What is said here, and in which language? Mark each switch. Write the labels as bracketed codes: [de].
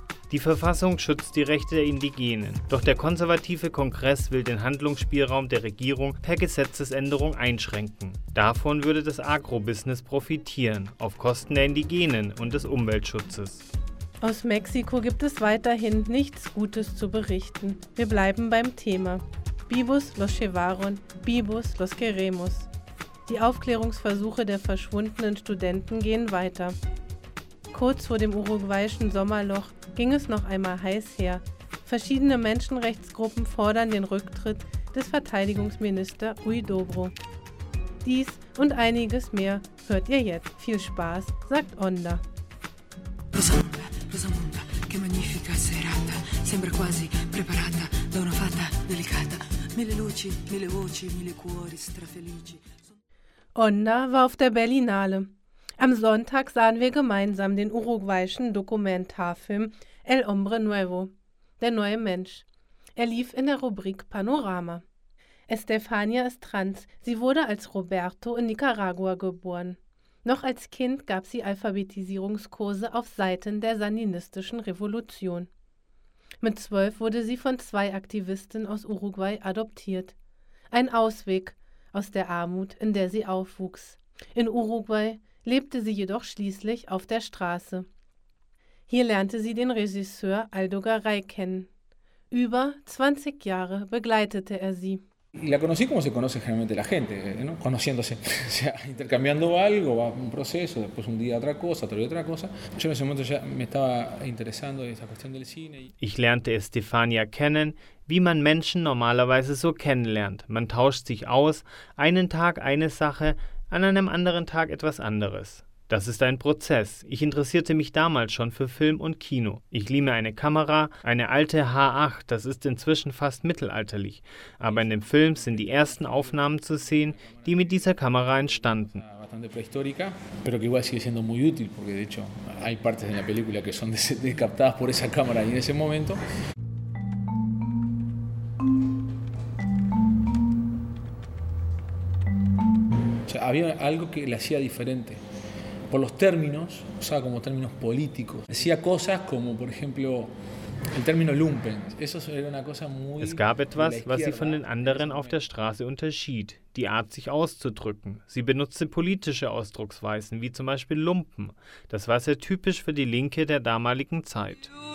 [de] Die Verfassung schützt die Rechte der Indigenen, doch der konservative Kongress will den Handlungsspielraum der Regierung per Gesetzesänderung einschränken. Davon würde das Agrobusiness profitieren, auf Kosten der Indigenen und des Umweltschutzes. Aus Mexiko gibt es weiterhin nichts Gutes zu berichten. Wir bleiben beim Thema. [es] Vivos los llevaron, vivos los queremos. [de] Die Aufklärungsversuche der verschwundenen Studenten gehen weiter. Kurz vor dem uruguayischen Sommerloch ging es noch einmal heiß her. Verschiedene Menschenrechtsgruppen fordern den Rücktritt des Verteidigungsministers Rui Dobro. Dies und einiges mehr hört ihr jetzt. Viel Spaß, sagt Onda. [it] Cosa monta, che magnifica serata, sembra quasi preparata da una fata delicata. Mille luci, mille voci, mille cuori strafelici. [de] Onda war auf der Berlinale. Am Sonntag sahen wir gemeinsam den uruguayischen Dokumentarfilm El Hombre Nuevo, der neue Mensch. Er lief in der Rubrik Panorama. Estefania ist trans, sie wurde als Roberto in Nicaragua geboren. Noch als Kind gab sie Alphabetisierungskurse auf Seiten der Sandinistischen Revolution. Mit 12 wurde sie von 2 Aktivisten aus Uruguay adoptiert. Ein Ausweg aus der Armut, in der sie aufwuchs. In Uruguay lebte sie jedoch schließlich auf der Straße. Hier lernte sie den Regisseur Aldo Garay kennen. Über 20 Jahre begleitete er sie. [es] La conocí como se conoce generalmente la gente, ¿no? Conociéndose, o sea, intercambiando algo, va un proceso, después un día otra cosa, otro día otra cosa. Yo en ese momento ya me estaba interesando en esa cuestión del cine. [de] Ich lernte Estefania kennen, wie man Menschen normalerweise so kennenlernt. Man tauscht sich aus, einen Tag eine Sache, an einem anderen Tag etwas anderes. Das ist ein Prozess. Ich interessierte mich damals schon für Film und Kino. Ich lieh mir eine Kamera, eine alte H8, das ist inzwischen fast mittelalterlich. Aber in dem Film sind die ersten Aufnahmen zu sehen, die mit dieser Kamera entstanden. [es] Bastante prehistórica, pero que igual sigue siendo muy útil, porque de hecho hay partes de la película que son captadas por esa cámara en ese momento. O sea, había algo que la hacía diferente. Por los términos, usaba como términos políticos. Decía cosas como, por ejemplo, el término lumpen. Eso era una cosa muy... [de] Es gab etwas, was sie von den anderen auf der Straße unterschied. Die Art, sich auszudrücken. Sie benutzte politische Ausdrucksweisen, wie zum Beispiel Lumpen. Das war sehr typisch für die Linke der damaligen Zeit.